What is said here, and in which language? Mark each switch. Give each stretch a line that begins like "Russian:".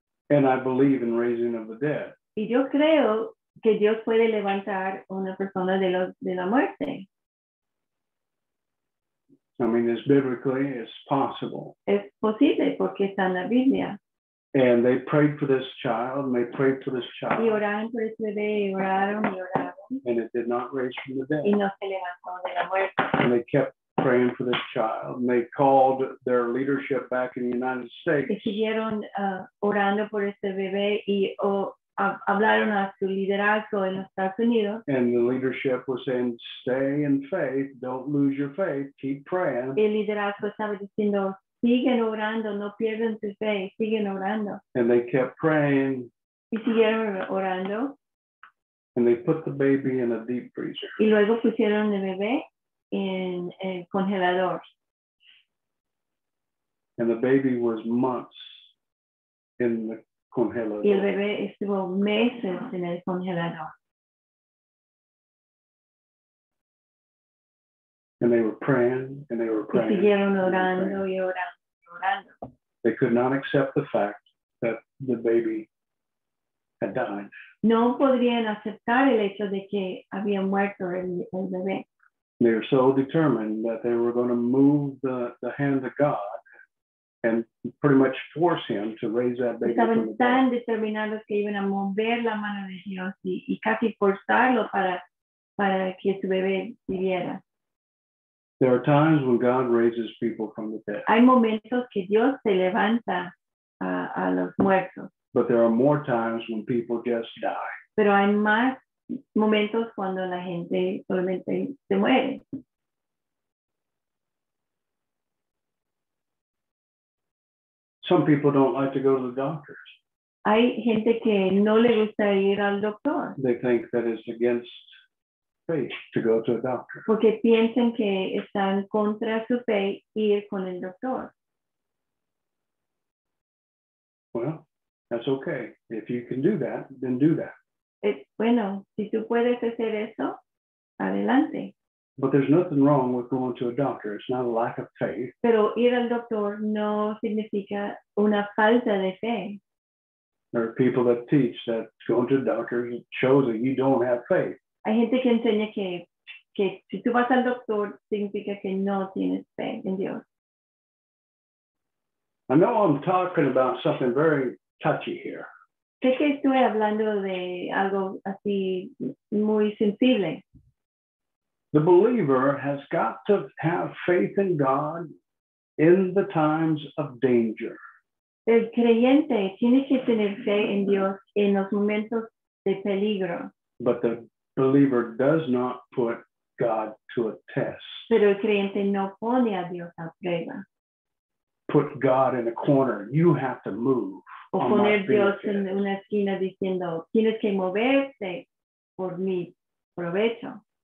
English: And I believe in raising of the dead.
Spanish: Y yo creo que Dios puede levantar una persona de la muerte.
English: I mean, it's biblically, it's possible.
Spanish: Es posible porque está en la Biblia.
English: And they prayed for this child, and they prayed for this child.
Spanish: Y oraron por ese bebé, y oraron, y oraron.
English: And it did not raise from the dead.
Spanish: Y no se levantó de la muerte.
English: And they kept praying for this child. And they called their leadership back in the United States.
Spanish: Y siguieron orando por ese bebé y hablaron a su liderazgo en los Estados Unidos.
English: And the leadership was saying, stay in faith. Don't lose your faith. Keep praying.
Spanish: El liderazgo estaba diciendo, siguen orando. No pierden su fe. Siguen orando.
English: And they kept praying.
Spanish: Y siguieron orando.
English: And they put the baby in a deep freezer.
Spanish: Y luego pusieron el bebé en el congelador.
English: And the baby was months in the congelador.
Spanish: Y el bebé estuvo meses en el congelador.
English: And they were praying, and they were praying.
Spanish: Y siguieron orando y orando y orando.
English: They could not accept the fact that the baby had died.
Spanish: No podrían aceptar el hecho de que había muerto el bebé.
English: They were so determined that they were going to move the hand of God and pretty much force him to raise that baby.
Spanish: Estaban tan determinados que iban a mover la mano de Dios y casi forzarlo para que su bebé viviera.
English: There are times when God raises people from the dead.
Spanish: Hay momentos que Dios se levanta a los muertos.
English: But there are more times when people just die.
Spanish: Pero hay más momentos cuando la gente solamente se muere.
English: Some people don't like to go to the doctors.
Spanish: Hay gente que no le gusta ir al doctor.
English: They think that it's against faith to go to a doctor.
Spanish: Porque piensan que están contra su fe ir con el doctor.
English: Well, that's okay. If you can do that, then do that.
Spanish: Bueno, si tú puedes hacer eso, adelante.
English: But there's nothing wrong with going to a doctor. It's not a lack of faith.
Spanish: Pero ir al doctor no significa una falta de fe.
English: There are people that teach that going to a doctor shows that you don't have faith.
Spanish: Hay gente que enseña que si tú vas al doctor significa que no tienes fe en Dios.
English: I know I'm talking about something very touchy here.
Spanish: Sé que estoy hablando de algo así muy sensible.
English: The believer has got to have faith in God in the times of danger.
Spanish: El creyente tiene que tener fe en Dios en los momentos de peligro.
English: But the believer does not put God to a test.
Spanish: Pero el creyente no pone a Dios a prueba.
English: Put God in a corner. You have to move.
Spanish: O poner Dios en una esquina diciendo, tienes que moverte por mi provecho.